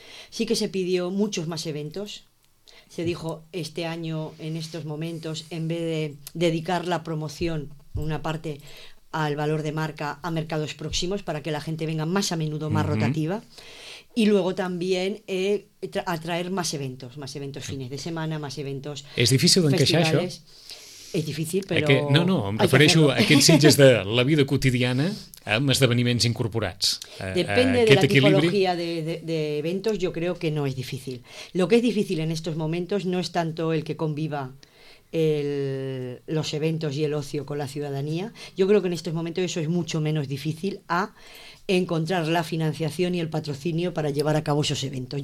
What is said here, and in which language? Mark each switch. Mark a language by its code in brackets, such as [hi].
[es] Sí que se pidió muchos más eventos. Se dijo este año, en estos momentos, en vez de dedicar la promoción, una parte al valor de marca, a mercados próximos, para que la gente venga más a menudo, más rotativa. Y luego también atraer más eventos fines de semana, más eventos. ¿Es difícil [ca] d'encaixar això? És difícil, però... No, em refereixo a aquests Sitges de la vida quotidiana amb esdeveniments incorporats. [es] Depende de la tipologia d'eventos, yo creo que no es difícil. Lo que es difícil en estos momentos no es tanto el que conviva los eventos y el ocio con la ciudadanía. Yo creo que en estos momentos eso es mucho menos difícil a... encontrar la financiación y el patrocinio para llevar a cabo esos eventos.